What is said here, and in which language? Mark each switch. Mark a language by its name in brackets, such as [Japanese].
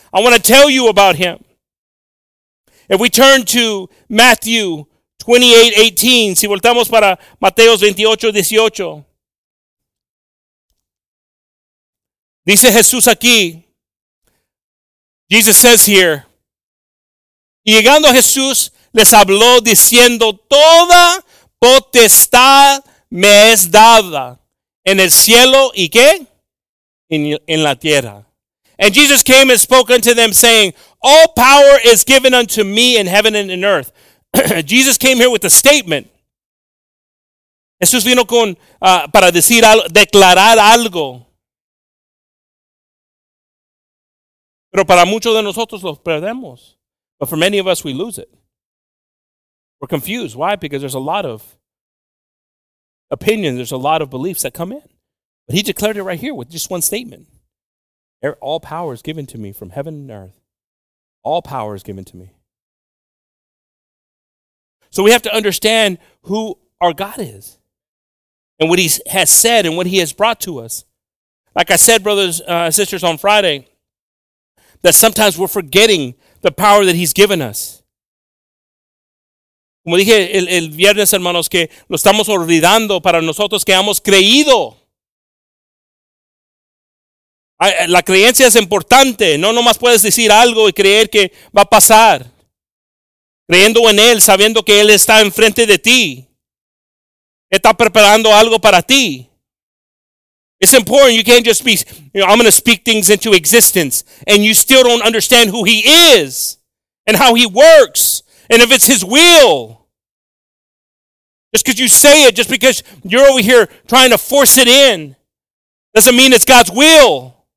[English] I want to tell you about him. If we turn to Matthew 28, 18, [Spanish] si voltamos para Mateo 28, 18, dice Jesús aquí, [English] Jesus says here, [Spanish] y llegando a Jesús, les habló diciendo, toda potestad me es dada, en el cielo y qué? En la tierra. [English] And Jesus came and spoke unto them, saying, all power is given unto me in heaven and in earth. Jesus came here with a statement. [Spanish] Jesús vino con para decir algo, declarar algo. Pero para muchos de nosotros lo perdemos. [English] But for many of us, we lose it. We're confused. Why? Because there's a lot of opinions. There's a lot of beliefs that come in. But he declared it right here with just one statement. All power is given to me from heaven and earth. All power is given to me. So we have to understand who our God is and what he has said and what he has brought to us. Like I said, brothers and sisters, on Friday, that sometimes we're forgetting the power that he's given us. [Spanish] Como dije el viernes, hermanos, que lo estamos olvidando para nosotros que hemos creído. La creencia es importante. No nomás puedes decir algo y creer que va a pasar. Creyendo en él, sabiendo que él está enfrente de ti. Está preparando algo para ti. [English] It's important. You can't just be, you know, I'm going to speak things into existence and you still don't understand who he is and how he works and if it's his will. Just because you say it, just because you're over here trying to force it in, doesn't mean it's God's will.